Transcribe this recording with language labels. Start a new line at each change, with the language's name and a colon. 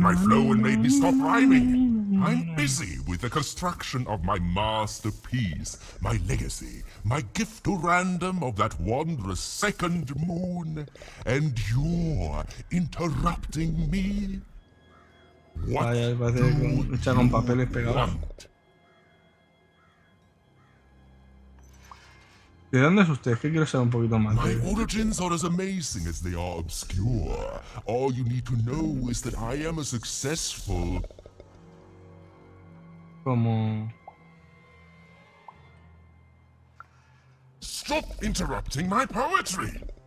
English: my flow and made me stop rhyming. I'm busy with the construction of my masterpiece, my legacy, my gift to random of that wondrous second moon, and you're interrupting me. What?
Spanish: Vaya, parece que echaron papeles pegados. ¿De dónde es usted? Que quiero saber un poquito más.
English: My origins are as amazing as they are obscure. All you need to know is that I am a successful.
Spanish: Como...
English: Stop interrupting my poetry.